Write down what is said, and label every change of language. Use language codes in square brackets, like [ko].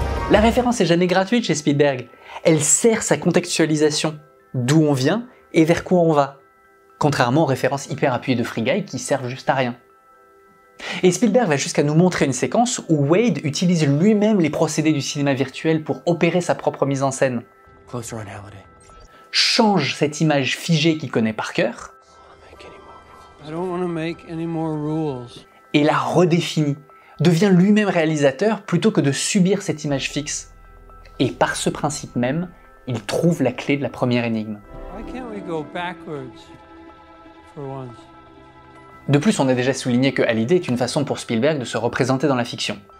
[fr] La référence est jamais gratuite chez Spielberg, elle sert sa contextualisation, d'où on vient et vers quoi on va, contrairement aux références hyper appuyées de Free Guy qui servent juste à rien. Et Spielberg va jusqu'à nous montrer une séquence où Wade utilise lui-même les procédés du cinéma virtuel pour opérer sa propre mise en scène. [en] Closer on Halliday. [fr] Change cette image figée qu'il connaît par cœur. [en] I don't want to make any more rules. [fr] Et la redéfinit, devient lui-même réalisateur plutôt que de subir cette image fixe. Et par ce principe même, il trouve la clé de la première énigme. De plus, on a déjà souligné que Hallyday est une façon pour Spielberg de se représenter dans la fiction.